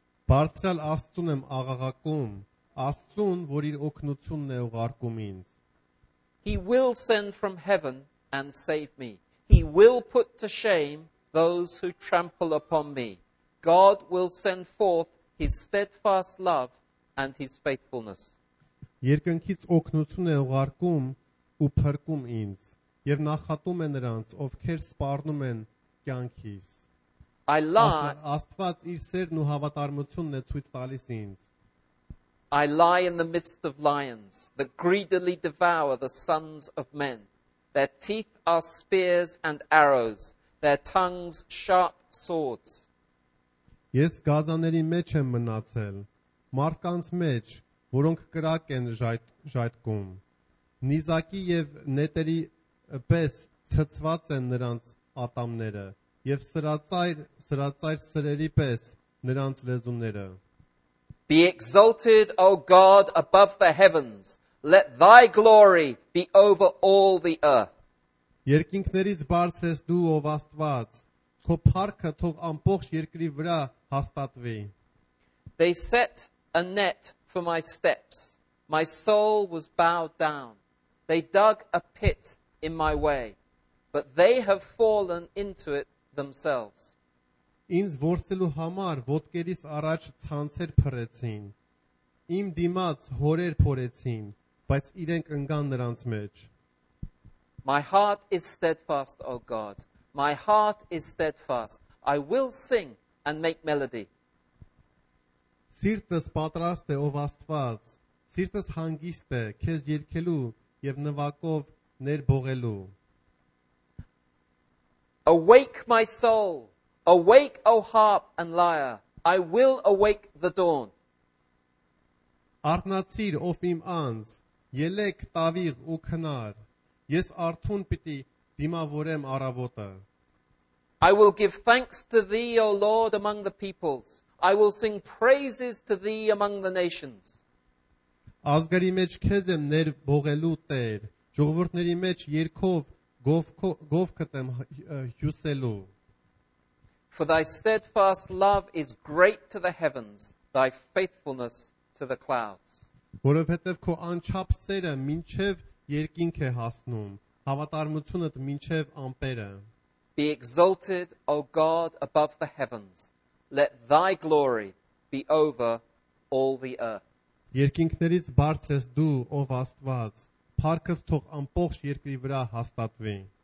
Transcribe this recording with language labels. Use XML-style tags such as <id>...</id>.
<hy>Բարձրալ Աստծուն եմ աղաղակում, Աստծուն, որ իր օգնությունն է ուղարկում ինձ.</hy> <en>He will send from heaven and save me. He will put to shame those who trample upon me. God will send forth his steadfast love and his faithfulness.</en> <hy>Երկնքից օգնություն է ուղարկում ու փրկում ինձ եւ նախատում է նրանց, ովքեր սպառնում են կյանքիս.</hy> <en>I lie.</en> <hy>Աստված իր սերն ու հավատարմությունն է ցույց տալիս ինձ.</hy> <en>I lie in the midst of lions that greedily devour the sons of men. Their teeth are spears and arrows, their tongues sharp swords.</en> <hy>Ես գազաների մեջ եմ մնացել. Մարդկանց մեջ, որոնք կրակ են ժայթքում, նիզակի եւ նետերի պես ցծված են նրանց ատամները եւ սրածայր սրերի պես նրանց լեզունները.</hy> <en>Be exalted, O God, above the heavens. Let thy glory be over all the earth.</en> <hy>Երկինքներից բարձր ես դու, ով Աստված, քո փառքը թող ամբողջ երկրի վրա հաստատվի.</hy> <en>They set a net for my steps. My soul was bowed down. They dug a pit in my way, but they have fallen into it themselves.</en> <hy>Ինձ ворցելու համար ոտկերից առաջ ցանցեր փռեցին, իմ դիմաց հորեր փորեցին, բայց իրենք ընկան նրանց մեջ.</hy> <en>My heart is steadfast, O God. My heart is steadfast. I will sing and make melody.</en> <hy>Սիրտս պատրաստ է, ով Աստված, սիրտս հանգիստ է, քեզ երգելու եւ նվակով ներբողելու.</hy> <en>Awake my soul, awake O harp and lyre, I will awake the dawn.</en> <hy>Արթնացիր, ով իմ անձ, ելեք տավիղ ու քնար, ես արթուն պիտի դիմավորեմ առավոտը.</hy> <en>I will give thanks to thee, O Lord, among the peoples. I will sing praises to thee among the nations.</en> <hy>Ազգերի մեջ քեզ եմ ներբողելու Տեր, ժողովուրդների մեջ երգով գովքդ եմ հյուսելու.</hy> <en>For thy steadfast love is great to the heavens, thy faithfulness to the clouds.</en> <hy>Որովհետև քո անչափ սերը մինչև երկինք է հասնում, հավատարմությունդ մինչև ամպերը.</hy> <en>Be exalted, O God, above the heavens. Let thy glory be over all the earth.</en> <hy>Երկինքներից բարձր ես դու, ով Աստված, Փառքդ թող ամբողջ երկրի վրա հաստատվի.</hy>